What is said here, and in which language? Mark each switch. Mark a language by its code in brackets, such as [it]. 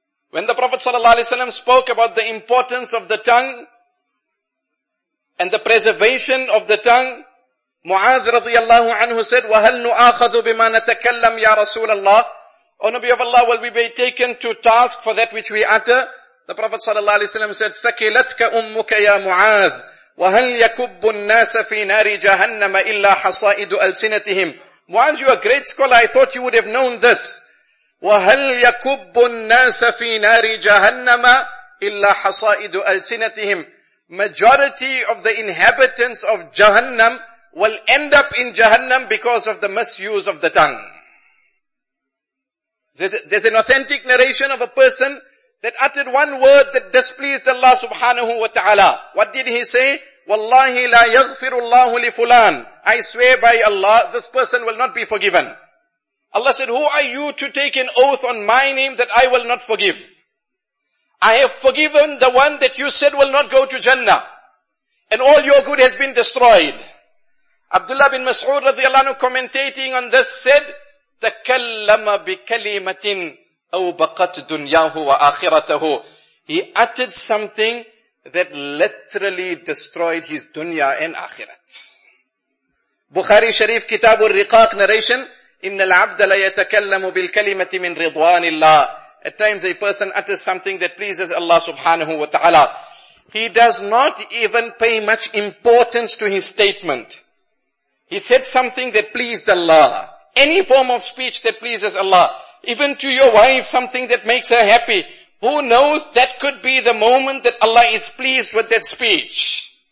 [en] When the Prophet sallallahu alaihi wasallam spoke about the importance of the tongue and the preservation of the tongue, Mu'adh radiyallahu anhu said, [ar] وَهَلْ نُؤَخَذُ بِمَا نَتَكَلَّمْ يَا رَسُولَ اللَّهِ. [en] O Nabi of Allah, will we be taken to task for that which we utter? The Prophet sallallahu alaihi wasallam said, [ar] ثَكِلَتْكَ أُمُّكَ يَا مُعَاذ وَهَلْ يَكُبُّ النَّاسَ فِي نَارِ جَهَنَّمَ إِلَّا حَصَائِدُ أَلْسِنَتِهِمْ. [en] Mu'adh, you are a great scholar, I thought you would have known this. [ar] وَهَلْ يَكُبُّ النَّاسَ فِي نَارِ جَهَنَّمَ إِلَّا حَصَائِدُ أَلْسِنَتِهِمْ. [en] Majority of the inhabitants of Jahannam will end up in Jahannam because of the misuse of the tongue. There's an authentic narration of a person that uttered one word that displeased Allah subhanahu wa ta'ala. What did he say? [ar] وَاللَّهِ لَا يَغْفِرُ اللَّهُ لِفُلَانَ. [en] I swear by Allah, this person will not be forgiven. Allah said, who are you to take an oath on my name that I will not forgive? I have forgiven the one that you said will not go to Jannah. And all your good has been destroyed. Abdullah bin Mas'ud radiallahu anhu commentating on this said, [ar] تَكَلَّمَ بِكَلِمَةٍ أَوْ بَقَتْ دُنْيَاهُ وَآخِرَتَهُ. [en] He uttered something that literally destroyed his dunya and akhirat. [ar] Bukhari Sharif Kitab al-Riqaq narration, إِنَّ الْعَبْدَ لَيَتَكَلَّمُ بِالْكَلِمَةِ مِنْ رِضْوَانِ اللَّهِ. [en] At times a person utters something that pleases Allah subhanahu wa ta'ala. He does not even pay much importance to his statement. He said something that pleased Allah. Any form of speech that pleases Allah. Even to your wife, something that makes her happy. Who knows, that could be the moment that Allah is pleased with that speech.